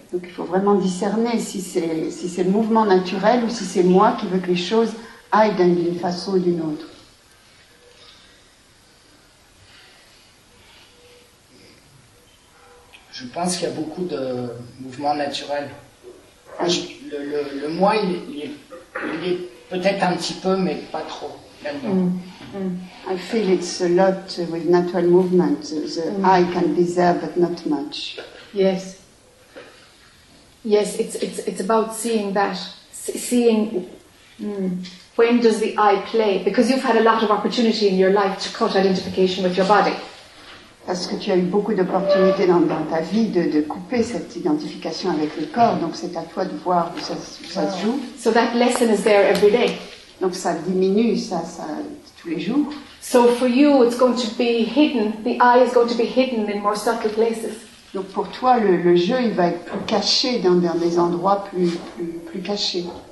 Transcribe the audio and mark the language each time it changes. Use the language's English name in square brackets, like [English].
[French] Donc il faut vraiment discerner si c'est le mouvement naturel ou si c'est moi qui veux que les choses aillent d'une façon ou d'une autre. Je pense qu'il y a beaucoup de mouvements naturels. Le moi, il est peut-être un petit peu, mais pas trop. [English] I feel it's a lot with natural movement. I can be there, but not much. Yes. Yes, it's about seeing that. Seeing when does the I play? Because you've had a lot of opportunity in your life to cut identification with your body. [French] Parce que tu as eu beaucoup d'opportunités dans ta vie de couper cette identification avec le corps, donc c'est à toi de voir où ça se joue. [English] So that lesson is there every day. [French] Donc ça diminue, ça tous les jours. [English] So for you, it's going to be hidden. The eye is going to be hidden in more subtle places. [French] Donc pour toi, le jeu, il va être plus caché dans des endroits plus cachés.